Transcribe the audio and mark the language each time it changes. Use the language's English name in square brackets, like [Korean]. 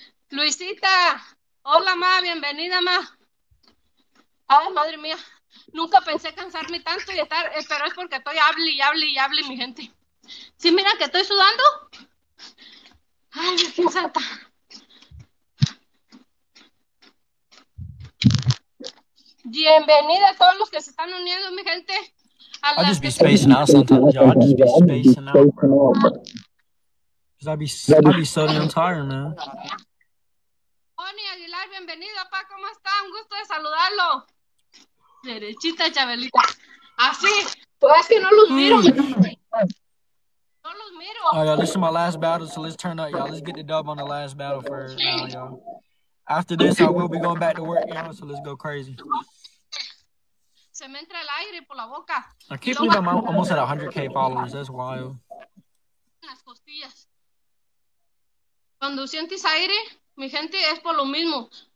[Spanish] Luisita, hola ma, bienvenida ma. Ay, madre mía, nunca pensé cansarme tanto y estar, pero es porque estoy hable y hable y hable, mi gente. ¿Sí mira que estoy sudando? Ay, qué santa. Bienvenida a todos los que se están uniendo, mi gente. [English] I'll just be spacing out sometimes, y'all. I'll just be spacing out. Because I'd be so damn tired, man. [Spanish] Tony Aguilar, bienvenido, pa. ¿Cómo está? Un gusto de saludarlo. Derechita, Chabelita. Así. Pues es que no los miro. No los miro. [English] All right, this is my last battle, so let's turn up, y'all. Let's get the dub on the last battle for now, y'all. After this, I will be going back to work, y'all, so let's go crazy. [Spanish] Se me entra el aire por la boca. [English] I can't believe I'm almost at 100k followers. That's wild. [Spanish] Las costillas. Cuando sientes aire, mi gente, es por lo mismo.